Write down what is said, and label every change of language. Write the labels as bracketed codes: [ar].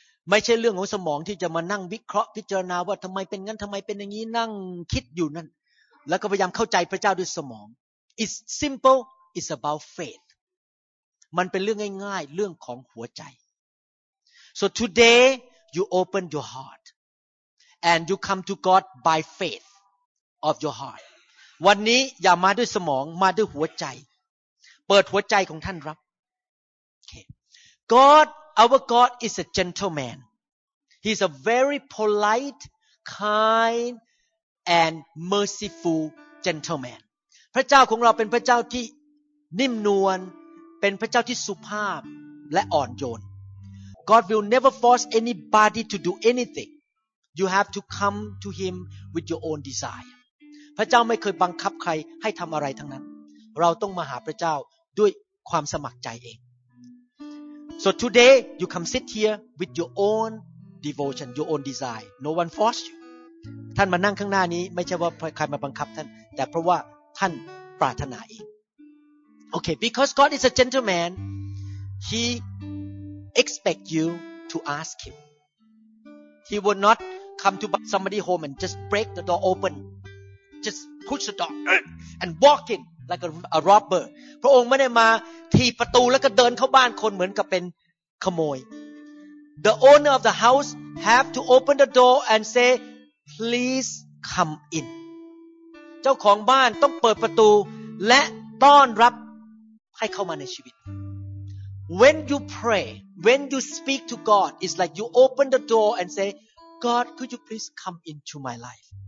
[th] ไม่ใช่เรื่องของสมองที่จะมานั่งวิเคราะห์พิจารณาว่าทำไมเป็นงั้นทำไมเป็นอย่างนี้นั่งคิดอยู่นั่นแล้วก็พยายามเข้าใจพระเจ้าด้วยสมอง [en] It's simple It's about faith [th] มันเป็นเรื่องง่ายๆเรื่องของหัวใจ [en] So today you open your heart [th] and you come to God by faith of your heart วันนี้อย่ามาด้วยสมองมาด้วยหัวใจเปิดหัวใจของท่านรับ [en] okay. GodOur God is a gentleman. He's a very polite, kind, and merciful gentleman. [th] พระเจ้าของเราเป็นพระเจ้าที่นิ่มนวลเป็นพระเจ้าที่สุภาพและอ่อนโยน [en] God will never force anybody to do anything. You have to come to him with your own desire. [th] พระเจ้าไม่เคยบังคับใครให้ทำอะไรทั้งนั้นเราต้องมาหาพระเจ้าด้วยความสมัครใจเอง [en] So today, you come sit here with your own devotion, your own desire. No one forced you. [th] ท่านมานั่งข้างหน้านี้ไม่ใช่ว่าใครมาบังคับท่านแต่เพราะว่าท่านปรารถนาเอง [en] Okay, because God is a gentleman, He expects you to ask Him. He will not come to somebody's home and just break the door open. Just push the door and walk in. Like a robber. [th] พระองค์ไม่ได้มาถีบประตูแล้วก็เดินเข้าบ้านคนเหมือนกับเป็นขโมย [en] The owner of the house have to open the door and say, please come in. [th] เจ้าของบ้านต้องเปิดประตูและต้อนรับให้เข้ามาในชีวิต [en] When you pray, when you speak to God, it's like you open the door and say, God, could you please come into my life?